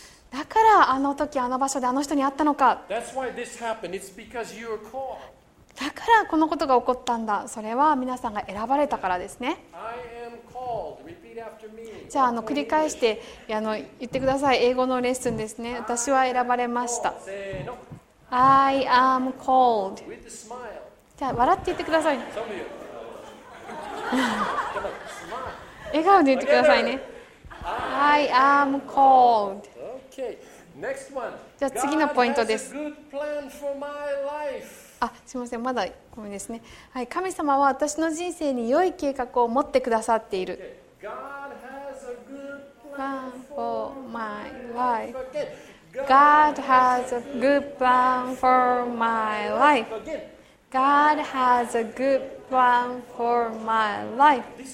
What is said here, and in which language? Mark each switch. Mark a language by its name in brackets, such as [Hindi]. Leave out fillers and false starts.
[Japanese] だからあの時あの場所であの人に会ったのか。 [English] That's why this happened. It's because you were called. [Japanese] だからこのことが起こったんだ。それは皆さんが選ばれたからですね。 [English] I am called. Repeat after me. [Japanese] じゃあ、 繰り返して言ってください。英語のレッスンですね。私は選ばれました。 [English] I am called. With a smile. [Japanese] じゃあ笑って言ってください。 [English] Some of you. Come on, smile. [Japanese] 笑顔で言ってくださいね。 [English] Okay. I am called. Okay. Next one. [Japanese] じゃあ次のポイントです。 [English] God has a good plan for my life. [Japanese] あ、すみません、まだごめんですね。はい、神様は私の人生に良い計画を持ってくださっている。 [English] God has a good plan for my life. God has a good plan for my life. God has a good plan for my life.